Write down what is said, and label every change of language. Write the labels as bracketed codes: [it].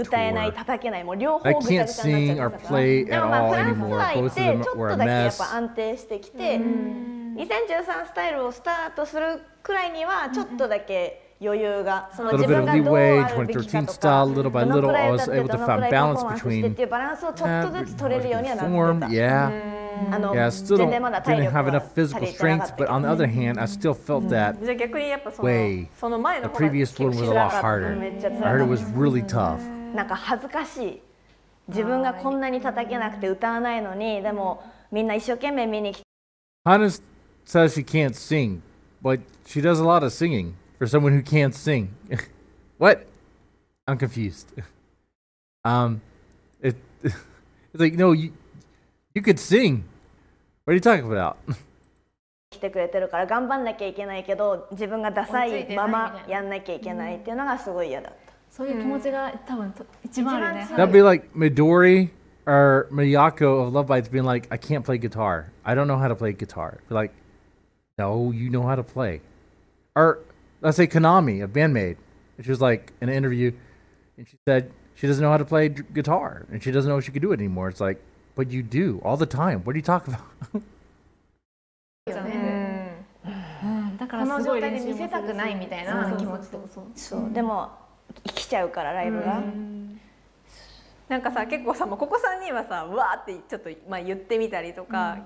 [ja] 歌えない、叩けない、もう両方ぐちゃぐちゃになっちゃったから。でもまあフランス行ってちょっとだけやっぱ安定してきて、2013スタイルをスタートするくらいにはちょっとだけ余裕が、その自分がどうあるべきかとか、どのくらいだってどのくらいパフォーマンスしてっていうバランスをちょっとずつ取れるようにはなってた。 [en] Yeah, I still didn't have enough physical strength, but on the other hand, I still felt that way. The previous one was a lot harder. I heard it was really tough. [ja] なんか恥ずかしい。自分がこんなに叩けなくて歌わないのに、でもみんな一生懸命見に来て。 [en] Hana says she can't sing, but she does a lot of singing for someone who can't sing. What? I'm confused. It's like, no, you... You could sing. What are you talking about? [ja] 来てくれてるから頑張んなきゃいけないけど、自分がダサいままやんなきゃいけないっていうのがすごい嫌だった。そういう気持ちが多分一番あるね。 [en] That'd be like Midori or Miyako of Love Bites being like, I can't play guitar. I don't know how to play guitar. Like, no, you know how to play. Or let's say Konami of Bandmaid. She was like in an interview and she said she doesn't know how to play guitar and she doesn't know if she could do it anymore. It's like,But you do all the time. What are you talking about? [ja] だからすごい練習見せたくないみたいな気持ちと。そう。でも生きちゃうからライブが。なんかさ結構さここさんにはさわーってちょっとまあ言ってみたりとか。